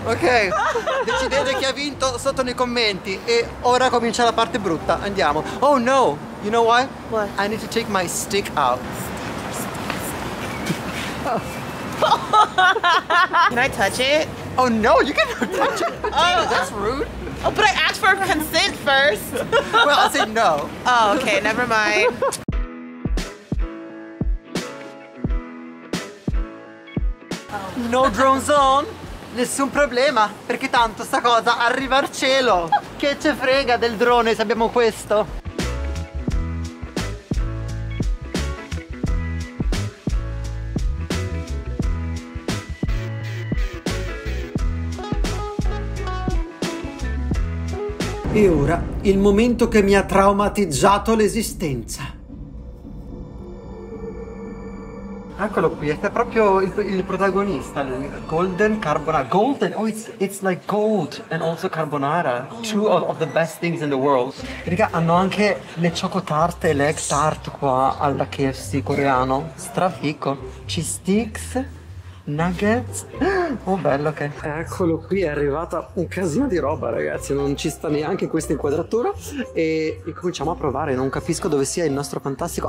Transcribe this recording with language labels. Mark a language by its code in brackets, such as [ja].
[it] Ok, decidete chi ha vinto sotto nei commenti. E ora comincia la parte brutta, andiamo. [en] Oh no, you know what? What? I need to take my stick out. Can I touch it? Oh no, you cannot touch it. Oh, that's rude. Oh, but I asked for consent first. Well, I said no. Oh, okay, never mind. No drone zone? [it] Nessun problema, perché tanto sta cosa arriva al cielo. Che ce frega del drone se abbiamo questo? E ora, il momento che mi ha traumatizzato l'esistenza. Eccolo qui, è proprio il protagonista, il golden carbonara. Golden? [en] Oh, it's like gold and also carbonara. Two of the best things in the world. [it] Raga, hanno anche le choco tart e l'egg tart qua alla KFC coreano. Strafico. Cheese sticks. Nuggets. Oh bello, che okay. Eccolo qui, è arrivata un casino di roba, ragazzi. Non ci sta neanche questa inquadratura. E cominciamo a provare. Non capisco dove sia il nostro fantastico.